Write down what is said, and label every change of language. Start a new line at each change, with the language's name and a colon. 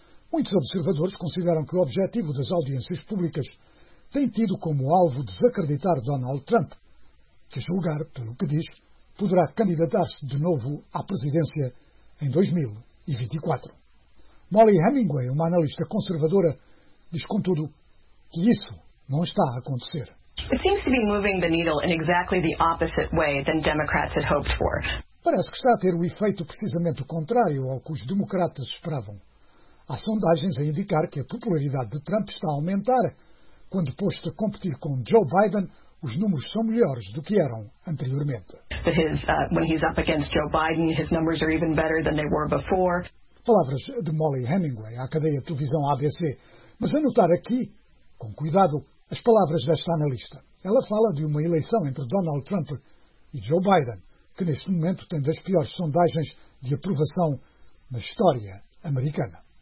Portuguese: Muitos observadores consideram que o objetivo das audiências públicas tem tido como alvo desacreditar Donald Trump, que, a julgar pelo que diz, poderá candidatar-se de novo à presidência em 2024. Molly Hemingway, uma analista conservadora, diz, contudo, que isso não está a acontecer.
English: It seems to be moving the needle in exactly the opposite way than Democrats had hoped for.
Portuguese: Parece que está a ter o efeito precisamente o contrário ao que os democratas esperavam. Há sondagens a indicar que a popularidade de Trump está a aumentar. Quando posto a competir com Joe Biden, os números são melhores do que eram anteriormente.
English: When he's up against Joe Biden, his numbers are even better than they were before.
Portuguese: Palavras de Molly Hemingway à cadeia de televisão ABC. Mas anotar aqui, com cuidado, as palavras desta analista. Ela fala de uma eleição entre Donald Trump e Joe Biden, que neste momento tem das piores sondagens de aprovação na história americana.